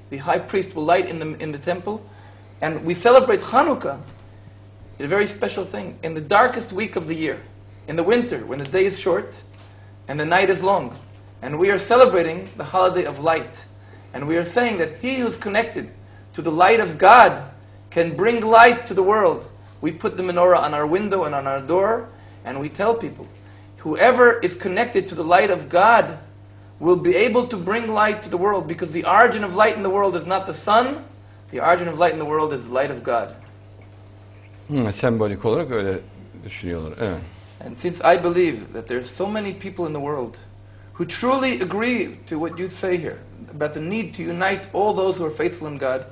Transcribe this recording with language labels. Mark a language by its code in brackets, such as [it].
[en] the high priest will light in the temple, and we celebrate Hanukkah, a very special thing, in the darkest week of the year, in the winter, when the day is short and the night is long, and we are celebrating the holiday of light, and we are saying that he who is connected to the light of God can bring light to the world. We put the menorah on our window and on our door, and we tell people, whoever is connected to the light of God will be able to bring light to the world, because the origin of light in the world is not the sun, the origin of light in the world is the light of God. [tr] Sembolik olarak öyle düşünüyorlar. Evet. [en] And since I believe that there are so many people in the world who truly agree to what you say here, about the need to unite all those who are faithful in God,